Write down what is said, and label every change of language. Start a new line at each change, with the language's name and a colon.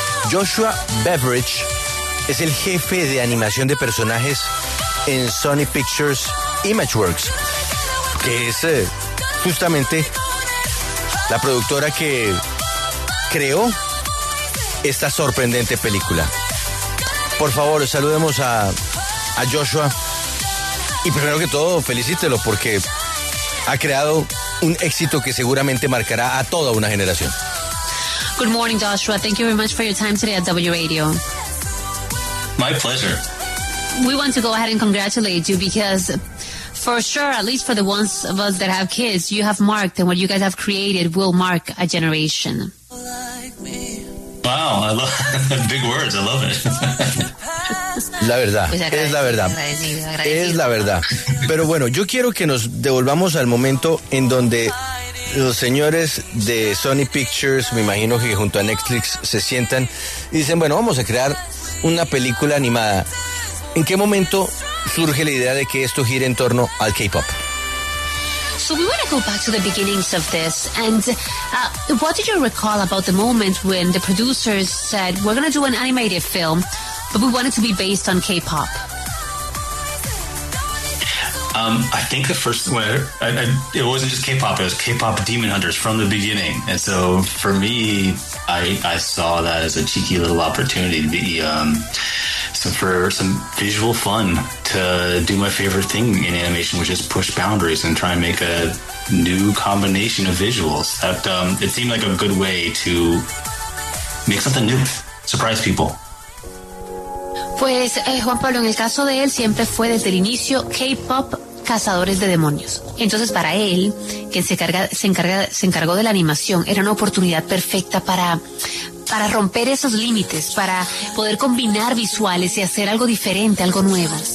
Spanish: Joshua Beveridge es el jefe de animación de personajes en Sony Pictures Imageworks, que es justamente la productora que creó esta sorprendente película. Por favor, saludemos a Joshua. Y primero que todo, felicítelo porque ha creado un éxito que seguramente marcará a toda una generación.
English: Good morning, Joshua. Thank you very much for your time today at W Radio. My pleasure. We want to go ahead and congratulate you because for sure, at least for the ones of us that have kids, you have marked, and what you guys have created will mark a generation. Wow, I love big words. I love it.
Spanish: La verdad, pues es la verdad, es la verdad. Pero bueno, yo quiero que nos devolvamos al momento en donde los señores de Sony Pictures, me imagino que junto a Netflix, se sientan y dicen, bueno, vamos a crear una película animada. ¿En qué momento surge la idea de que esto gire en torno al K-pop?
English: So we want to go back to the beginnings of this, and what did you recall about the moment when the producers said, we're going to do an animated film, but we want it to be based on K-pop? I think the first one, it wasn't just K-pop, it was K-pop Demon Hunters from the beginning. And so for me, I saw that as a cheeky little opportunity to be some visual fun to do my favorite thing in animation, which is push boundaries and try and make a new combination of visuals. That it seemed like a good way to make something new, surprise people.
Spanish: Pues, Juan Pablo, en el caso de él, siempre fue desde el inicio K-pop cazadores de demonios. Entonces, para él, que se encargó de la animación, era una oportunidad perfecta para romper esos límites, para poder combinar visuales y hacer algo diferente, algo nuevo.